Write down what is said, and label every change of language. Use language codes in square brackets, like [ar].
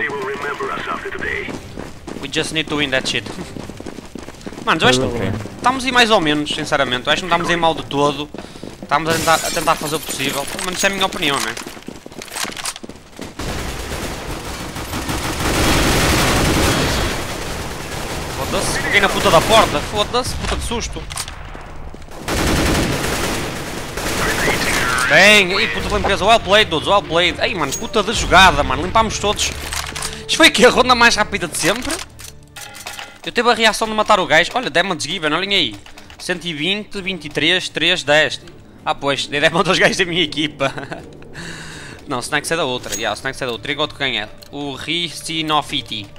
[en] They will remember us after today. We just need to win that shit. [pt] Mano, eu acho que... Estamos aí mais ou menos, sinceramente. Eu acho que não estamos aí mal de todo. Estamos a tentar fazer o possível. Mas isso é a minha opinião, né? Fiquei na puta da porta, foda-se, puta de susto. Bem, aí puta limpeza, [en] well played, dudes, well played. [pt] Ei, mano, puta de jogada, mano, limpámos todos. Isto foi aqui a ronda mais rápida de sempre. Eu teve a reação de matar o gajo, olha, [en] damage given, [pt] olhem aí. 120, 23, 3, 10. Ah, pois, dei damage aos gajos da minha equipa. Não, o Snacks é da outra, yeah, o Snacks é da outra. E agora quem é? O Ricinofiti.